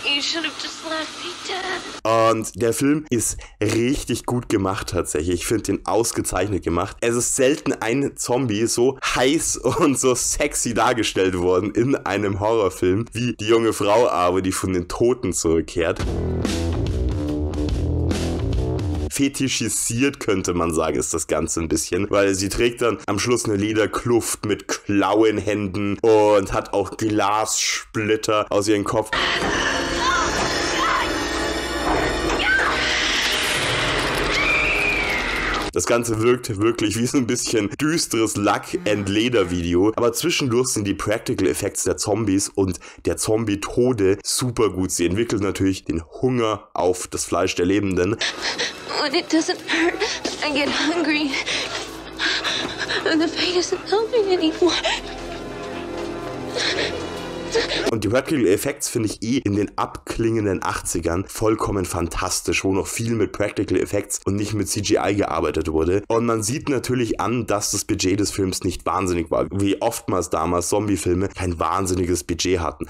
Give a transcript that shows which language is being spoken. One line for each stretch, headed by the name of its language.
English: You should have just left me dead.
German: Und der Film ist richtig gut gemacht tatsächlich. Ich finde ihn ausgezeichnet gemacht. Es ist selten ein Zombie so heiß und so sexy dargestellt worden in einem Horrorfilm, wie die junge Frau aber, die von den Toten zurückkehrt. Fetischisiert, könnte man sagen, ist das Ganze ein bisschen, weil sie trägt dann am Schluss eine Lederkluft mit Klauenhänden und hat auch Glassplitter aus ihrem Kopf. Das Ganze wirkt wirklich wie so ein bisschen düsteres Lack-and-Leder-Video. Aber zwischendurch sind die Practical Effects der Zombies und der Zombie-Tode super gut. Sie entwickelt natürlich den Hunger auf das Fleisch der Lebenden.
English: When it doesn't hurt, I get hungry. And the pain isn't helping anymore.
German: Und die Practical Effects finde ich eh in den abklingenden 80ern vollkommen fantastisch, wo noch viel mit Practical Effects und nicht mit CGI gearbeitet wurde. Und man sieht natürlich an, dass das Budget des Films nicht wahnsinnig war, wie oftmals damals Zombie-Filme kein wahnsinniges Budget hatten.